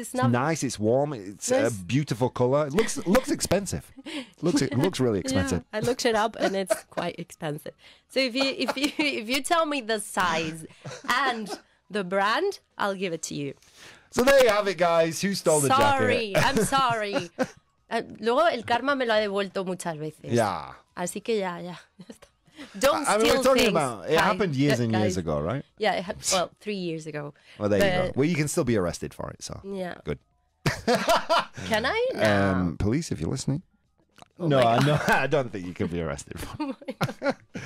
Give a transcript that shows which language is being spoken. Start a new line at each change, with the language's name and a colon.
English: It's nice. It's warm. It's a beautiful color. It looks expensive. It looks really expensive. Yeah. I looked it up and it's quite expensive. So if you tell me the size and the brand, I'll give it to you. So there you have it, guys. Who stole the jacket? I'm sorry.
Spanish: Luego el karma me lo ha devuelto muchas veces.
English: Yeah.
Spanish: Así que ya.
English: Don't steal things. We're talking about it happened years and years ago, right? Yeah, well, 3 years ago. Well, there you go. Well, you can still be arrested for it, so. Yeah. Good. Can I? Police, if you're listening. No, I don't think you can be arrested for it.